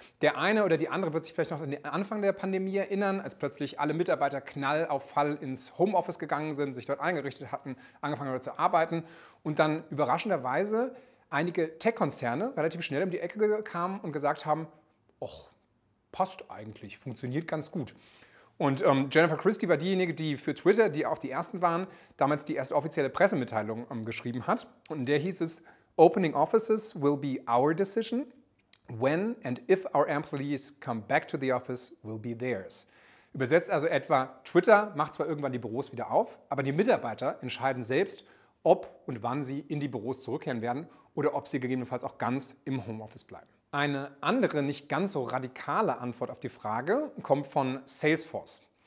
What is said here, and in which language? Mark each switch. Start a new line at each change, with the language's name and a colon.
German: Der eine oder die andere wird sich vielleicht noch an den Anfang der Pandemie erinnern, als plötzlich alle Mitarbeiter knall auf Fall ins Homeoffice gegangen sind, sich dort eingerichtet hatten, angefangen haben zu arbeiten und dann überraschenderweise einige Tech-Konzerne relativ schnell um die Ecke kamen und gesagt haben, och, passt eigentlich, funktioniert ganz gut. Und Jennifer Christie war diejenige, die für Twitter, die auch die ersten waren, damals die erste offizielle Pressemitteilung geschrieben hat. Und in der hieß es,
English: opening offices will be our decision. When and if our employees come back to the office will be theirs.
German: Übersetzt also etwa, Twitter macht zwar irgendwann die Büros wieder auf, aber die Mitarbeiter entscheiden selbst, ob und wann sie in die Büros zurückkehren werden oder ob sie gegebenenfalls auch ganz im Homeoffice bleiben. Eine andere, nicht ganz so radikale Antwort auf die Frage kommt von Salesforce.